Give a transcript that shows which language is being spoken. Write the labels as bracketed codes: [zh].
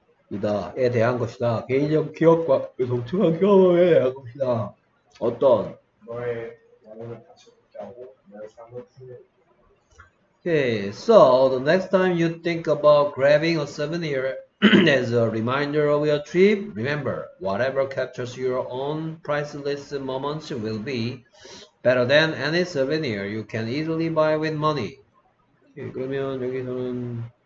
[ko] 이다에 대한 것이다. 개인적 기억과 그 독특한 경험에 대한 것이다. 어떤? 너의 영혼을 다시 복귀하고 너의 삶을 풍요롭게 [en] Okay, so the next time you think about grabbing a souvenir as a reminder of your trip, remember, whatever captures your own priceless moments will be better than any souvenir you can easily buy with money. [ko] Okay, 그러면 여기서는